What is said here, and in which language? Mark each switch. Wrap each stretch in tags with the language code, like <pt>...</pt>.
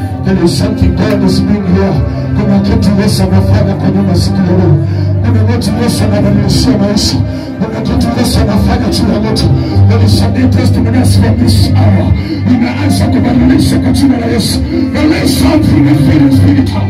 <en>There is something God is doing here.</en> <sw>Kuna kitu Yesu amefanya kwa nyuma siku ya leo. Kuna kitu Yesu ananiusia maisha. Kuna kitu Yesu anafanya juu ya moto.</sw> <en>There is a new testimony from this hour.</en> <sw>Inaanza kubadilisha kwa jina la Yesu.</sw> <en>There is something in the spirit.</en>